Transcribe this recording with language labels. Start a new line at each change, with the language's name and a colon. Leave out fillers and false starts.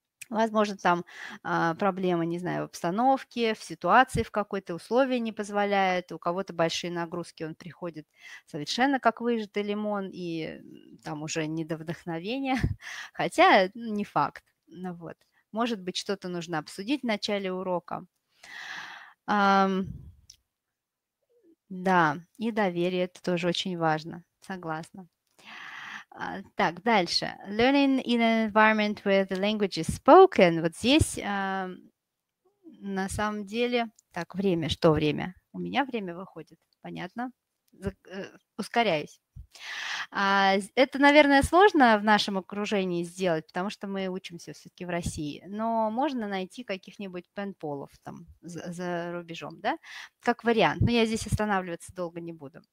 Russian: Возможно, там проблема, не знаю, в обстановке, в ситуации, в какой-то условии не позволяет, у кого-то большие нагрузки, он приходит совершенно как выжатый лимон, и там уже не до вдохновения, хотя не факт. Ну, вот. Может быть, что-то нужно обсудить в начале урока. Да, и доверие – это тоже очень важно, согласна. Так, дальше.
English: Learning in an environment where the language is spoken.
Russian: Вот здесь на самом деле… Так, время, что время? У меня время выходит, понятно? Ускоряюсь. Это, наверное, сложно в нашем окружении сделать, потому что мы учимся все-таки в России, но можно найти каких-нибудь пенполов там за рубежом, да, как вариант. Но я здесь останавливаться долго не буду.